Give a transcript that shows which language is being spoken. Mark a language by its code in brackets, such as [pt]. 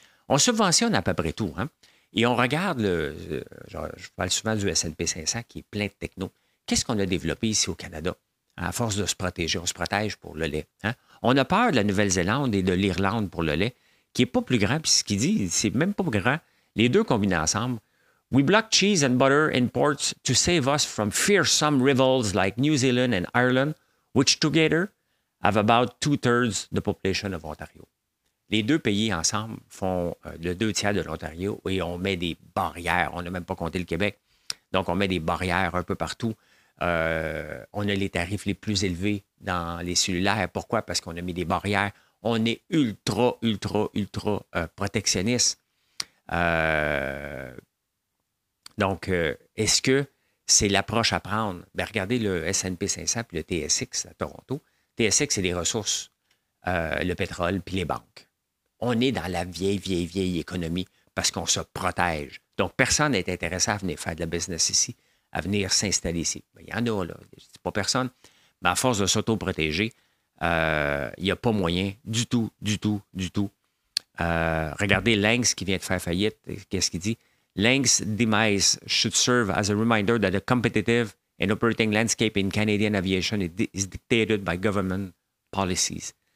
[fr] On subventionne à peu près tout, hein? Et on regarde, je parle souvent du S&P 500 qui est plein de techno. Qu'est-ce qu'on a développé ici au Canada? À force de se protéger, on se protège pour le lait. Hein? On a peur de la Nouvelle-Zélande et de l'Irlande pour le lait, qui n'est pas plus grand. Puis ce qu'il dit, c'est même pas plus grand. Les deux combinés ensemble. [en] We block cheese and butter imports to save us from fearsome rivals like New Zealand and Ireland, which together have about 2/3 the population of Ontario. [fr] Les deux pays ensemble font le 2/3 de l'Ontario et on met des barrières. On n'a même pas compté le Québec. Donc, on met des barrières un peu partout. On a les tarifs les plus élevés dans les cellulaires. Pourquoi? Parce qu'on a mis des barrières. On est ultra, ultra, ultra protectionniste. Est-ce que c'est l'approche à prendre? Bien, regardez le S&P 500 et le TSX à Toronto. TSX, c'est les ressources, le pétrole puis les banques. On est dans la vieille, vieille, vieille économie parce qu'on se protège. Donc, personne n'est intéressé à venir faire de la business ici, à venir s'installer ici. Il y en a, là. Je ne dis pas personne. Mais à force de s'auto-protéger, il n'y a pas moyen du tout, du tout, du tout. Regardez Lynx qui vient de faire faillite. Qu'est-ce qu'il dit? [en] Lynx demise should serve as a reminder that a competitive and operating landscape in Canadian aviation is dictated by government policies.